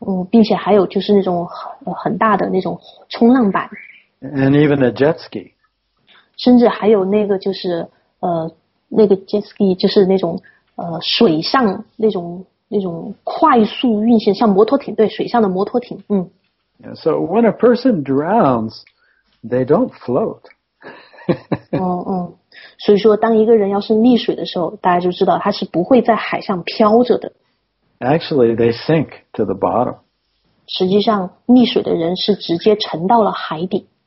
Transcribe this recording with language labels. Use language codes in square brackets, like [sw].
[zh] 并且还有就是那种很大的那种冲浪板， [en] And even a jet ski. [zh] 甚至还有那个就是那个 jet ski 就是那种水上那种快速运行，像摩托艇，对，水上的摩托艇， [en] Yeah, so when a person drowns, they don't float. [zh] 所以说当一个人要是溺水的时候，大家就知道他是不会在海上漂着的。 [en] Actually, they sink to the bottom. [zh] 实际上，溺水的人是直接沉到了海底。